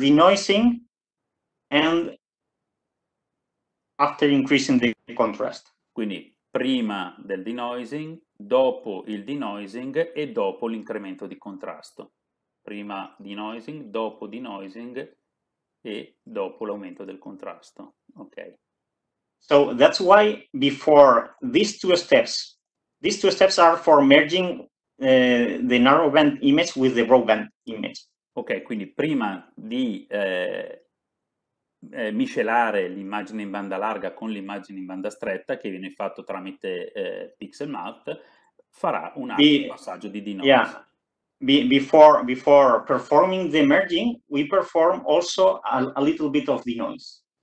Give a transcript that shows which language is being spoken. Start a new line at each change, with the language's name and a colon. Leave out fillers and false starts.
English: denoising, and after increasing the contrast.
Italian: Quindi prima del denoising, dopo il denoising e dopo l'incremento di contrasto. Prima denoising, dopo denoising e dopo l'aumento del contrasto. Ok.
English: So that's why before these two steps are for merging the narrow band image with the broad band image.
Italian: Ok, quindi prima di miscelare l'immagine in banda larga con l'immagine in banda stretta, che viene fatto tramite pixel mount, farà un altro passaggio di denoise.
English: Before performing the merging, we perform also a little bit of denoise.